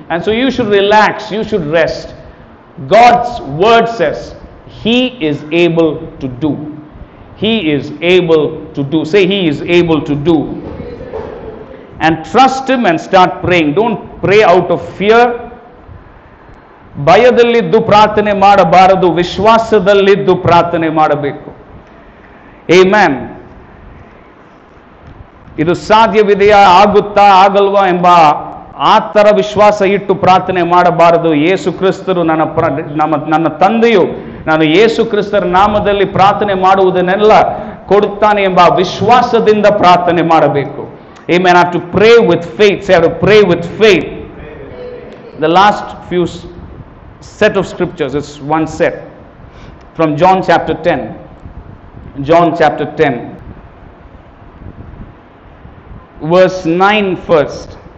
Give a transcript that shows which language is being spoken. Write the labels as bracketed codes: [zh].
[en] And so you should relax, you should rest. God's word says, He is able to do. He is able to do. Say, He is able to do. And trust Him and start praying. Don't pray out of fear. [kn] ಭಯದಲ್ಲಿದ್ದು ಪ್ರಾರ್ಥನೆ ಮಾಡಬಾರದು, ವಿಶ್ವಾಸದಲ್ಲಿದ್ದು ಪ್ರಾರ್ಥನೆ ಮಾಡಬೇಕು. Amen. ಇದು ಸಾಧ್ಯವಿದೆಯಾ, ಆಗುತ್ತಾ, ಆಗಲ್ವಾ ಎಂಬ ಆ ಥರ ವಿಶ್ವಾಸ ಇಟ್ಟು ಪ್ರಾರ್ಥನೆ ಮಾಡಬಾರದು. ಯೇಸು ಕ್ರಿಸ್ತರು ನನ್ನ ತಂದೆಯು, ನಾನು ಯೇಸು ಕ್ರಿಸ್ತರ ನಾಮದಲ್ಲಿ ಪ್ರಾರ್ಥನೆ ಮಾಡುವುದನ್ನೆಲ್ಲ ಕೊಡುತ್ತಾನೆ ಎಂಬ ವಿಶ್ವಾಸದಿಂದ ಪ್ರಾರ್ಥನೆ ಮಾಡಬೇಕು. [en] Amen. Have to pray with faith. Say, have to pray with faith. The last few set of scriptures, it's one set from John chapter 10. John chapter 10, verse 9 first.